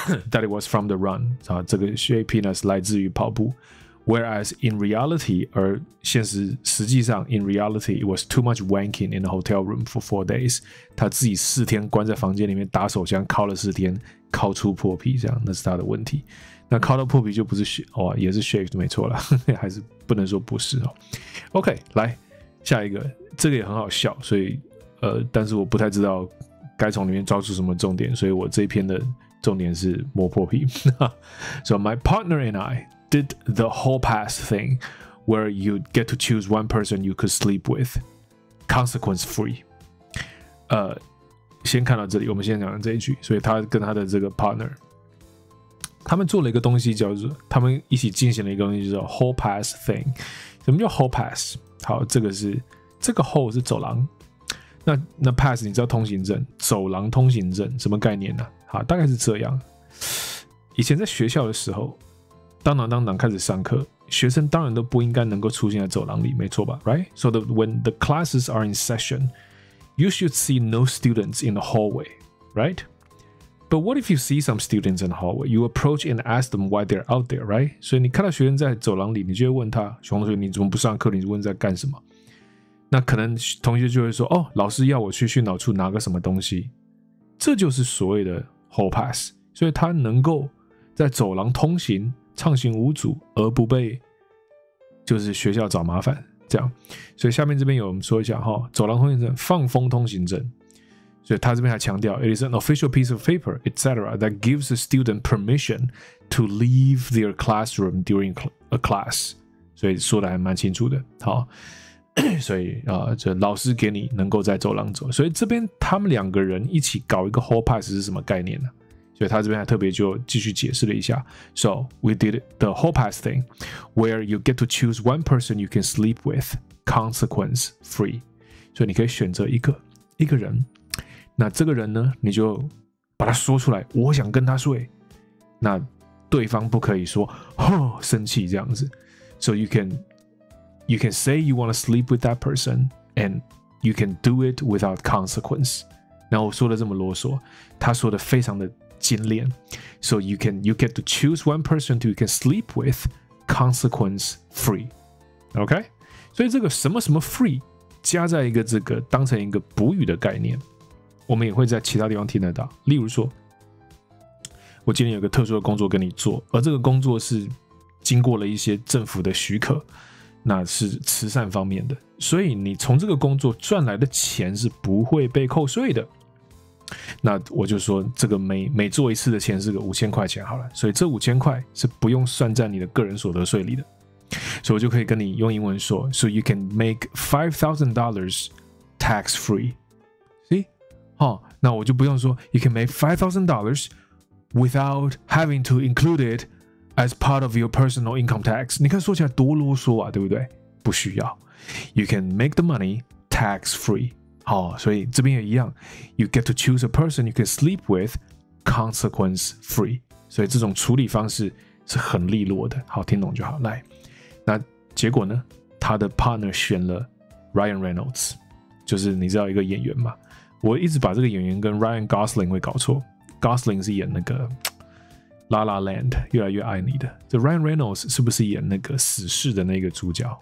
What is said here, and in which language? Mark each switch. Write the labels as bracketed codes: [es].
[en] That it was from the run， [zh] 这个 [en] shaved penis [zh] 来自于跑步， [en] whereas in reality， [zh] 而现实实际上 [en] in reality it was too much wanking in the hotel room for 4 days， [zh] 他自己4天关在房间里面打手枪靠了4天，靠出破皮，这样那是他的问题。那靠到破皮就不是 shave、哦、也是 shave 没错啦，还是不能说不是、哦、OK， 来下一个，这个也很好笑，所以但是我不太知道该从里面抓住什么重点，所以我这一篇的重点是磨破皮。 [en] So my partner and I did the whole pass thing where you get to choose one person you could sleep with consequence free。 [zh] 先看到这里，我们先讲这一句，所以他跟他的这个 partner他们做了一个东西，叫做他们一起进行了一个东西，叫做 hall pass thing。什么叫 hall pass？好，这个是这个 hall 是走廊， 那 pass 你知道通行证，走廊通行证什么概念呢、啊？好，大概是这样。以前在学校的时候，当开始上课，学生当然都不应该能够出现在走廊里，没错吧？ [en] Right？ So the, when the classes are in session， you should see no students in the hallway， right？ But what if you see some students in the hallway? You approach and ask them why they're out there, right? [zh] 所以你看到学生在走廊里，你就会问他，熊同学，你怎么不上课？你问在干什么？那可能同学就会说，哦，老师要我去训导处拿个什么东西。这就是所谓的 hall pass， 所以他能够在走廊通行，畅行无阻，而不被就是学校找麻烦，这样。所以下面这边有我们说一下，走廊通行证，放风通行证。所以他这边还强调 [en] ，It is an official piece of paper, etc. that gives a student permission to leave their classroom during a class。 [zh] 所以说的还蛮清楚的。好，所以啊，这老师给你能够在走廊走。所以这边他们两个人一起搞一个 hall pass 是什么概念呢、啊？所以他这边还特别就继续解释了一下。 [en] So we did the whole pass thing, where you get to choose one person you can sleep with, consequence free. [zh] 所以你可以选择一个人，那这个人呢，你就把他说出来，我想跟他睡。那对方不可以说，哼，生气这样子。 [en] So you can say you want to sleep with that person, and you can do it without consequence. [zh] 那我说的这么啰嗦，他说的非常的精炼。 [en] So you get to choose one person who you can sleep with, consequence free. Okay? [zh] 所以这个什么什么 free 加在一个这个当成一个补语的概念，我们也会在其他地方听得到。例如说，我今天有个特殊的工作跟你做，而这个工作是经过了一些政府的许可，那是慈善方面的，所以你从这个工作赚来的钱是不会被扣税的。那我就说，这个每做一次的钱是个5000块钱好了，所以这5000块是不用算在你的个人所得税里的。所以我就可以跟你用英文说 [en] ，So you can make $5,000 tax free. See? [zh] 哈，那我就不用说 [en] ，You can make $5,000 without having to include it. As part of your personal income tax. [zh] 你看说起来多啰嗦啊，对不对？不需要。 [en] You can make the money tax free. [zh] 好，所以这边也一样。 [en] You get to choose a person you can sleep with consequence free. [zh] 所以这种处理方式是很利落的。好，听懂就好。来，那结果呢？他的 partner 选了 Ryan Reynolds， 就是你知道一个演员吗？我一直把这个演员跟 Ryan Gosling 会搞错。Gosling 是演那个La La Land 越来越爱你的，这 Ryan Reynolds 是不是演那个死侍的那个主角？